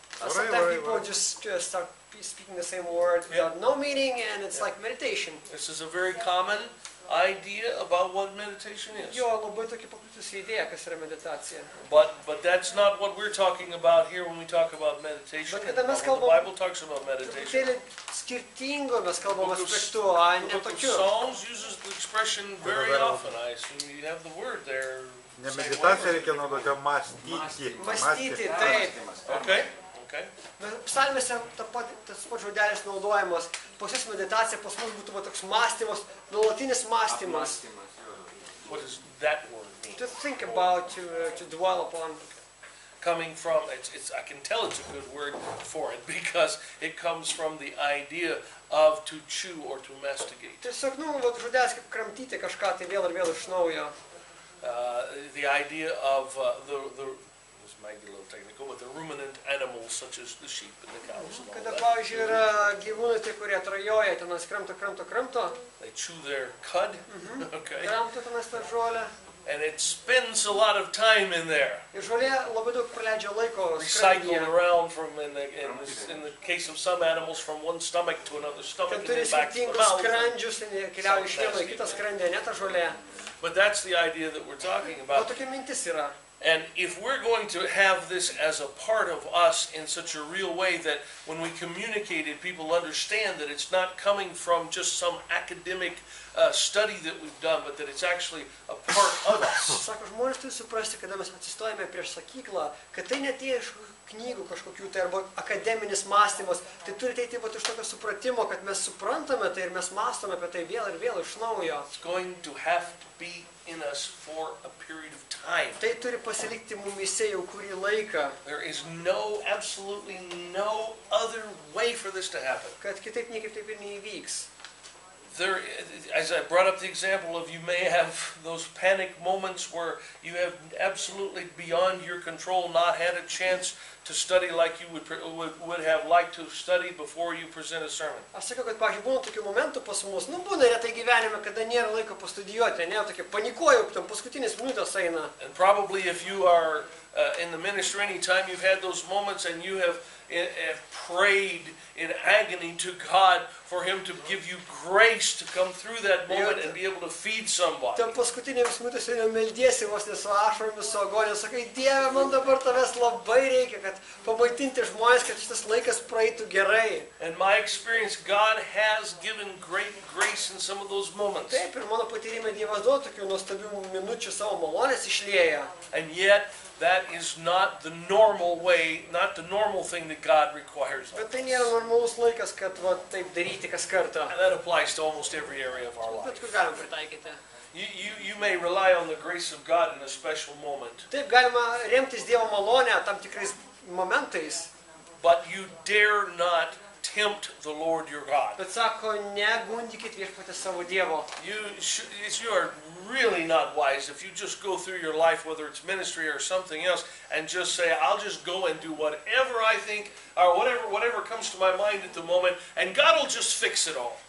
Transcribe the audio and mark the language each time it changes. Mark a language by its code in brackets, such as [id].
[en] Sometimes people just start speaking the same word without no meaning, and it's like meditation. This is a very common idea about what meditation is. [lt] Jo, labai tokia paplitusi idėja, kas yra meditacija. [en] But that's not what we're talking about here when we talk about meditation. [lt] Bet kada mes kalbam, [en] the Bible talks about meditation. [lt] Tai skirtingo mes kalbam aspektu, o ne tokiu. [en] Psalms uses the expression very often. I assume you have the word there. [lt] Ne meditacija, reikia naudoti mąstyti. Mąstyti, taip. [en] Okay. [lt] Psalmėse tas pat žodelis naudojamas, pas jūsų meditacija, pas mus būtų toks mąstymas, nuolatinis mąstymas. [en] What does that word mean? To think about, to dwell upon. Coming from, I can tell it's a good word for it, because it comes from the idea of to chew or to masticate. [lt] Tiesiog, nu, vat žodelis kaip kramtyti kažką, tai vėl ir vėl iš naujo. [en] The idea of the might be a little technical, but the ruminant animals such as the sheep and the cows and all that. [lt] Kada, pavyzdžiui, yra gyvūnai tie, kurie trajoja, tenas kramto. [en] They chew their cud, okay. [lt] Kramto tenas tą žolę. [en] And it spends a lot of time in there. [lt] Ir žolė labai daug praleidžia laiko. [en] Recycled around from, in the case of some animals, from one stomach to another stomach and then back to the mouth. [lt] Ten turi skirtingus skrandžius, ir keliauja iš vieno į kitą skrandį, ne ta žolė. [en] But that's the idea that we're talking about. [lt] O tokia mintis yra. [en] And if we're going to have this as a part of us in such a real way that when we communicate it, people understand that it's not coming from just some academic study that we've done, but that it's actually a part of us. [lt] Sako, žmonės turi suprasti, kada mes atsistojame prieš sakyklą, kad tai netėjo iš knygų kažkokių, tai arba akademinis mąstymas, tai turi teiti iš tokio supratimo, kad mes suprantame tai ir mes mąstome apie tai vėl ir vėl iš naujo. [en] It's going to have to be in us for a period of time. [lt] Tai turi pasilikti mumyse jau kurį laiką. [en] There is no, absolutely no other way for this to happen. [lt] Kad kitaip niekaip taip ir neįvyks. [en] There, as I brought up the example of you may have those panic moments where you have absolutely beyond your control not had a chance to study like you would have liked to study before you present a sermon. [lt] Aš sakau, kad, pavyzdžiui, būna tokių momentų pas mus, nu būna retai gyvenime, kada nėra laiko pastudijuoti, ne, tokia panikuoju, tam paskutinis minutės eina. [en] And probably if you are in the ministry any time you've had those moments and you have prayed in agony to God for him to give you grace to come through that moment and be able to feed somebody. [lt] Tam paskutinėms minutėse meldiesi vos ne su ašaromis, su agonija, sakai, Dieve, man dabar tavęs labai reikia, kad pamaitinti žmonės, kad šitas laikas praeitų gerai. [en] And my experience, God has given great grace in some of those moments. [lt] Taip, ir mano patyrimai Dievas duoda tokių nuostabių minučių savo malonės išlieja. [en] And yet, that is not the normal way, not the normal thing that God requires of us. [lt] Bet tai nėra normalus laikas, kad va, taip daryti kas kartą. [en] And that applies to almost every area of our life. [lt] Bet kur galim pritaikyti. [en] You may rely on the grace of God in a special moment. [lt] Taip, galima remtis Dievo malonę tam tikrais momentais. [en] But you dare not tempt the Lord your God. [lt] Bet sako, negundykit viešpatį savo Dievo. [en] You are really not wise if you just go through your life, whether it's ministry or something else, and just say, I'll just go and do whatever I think, or whatever comes to my mind at the moment, and God will just fix it all.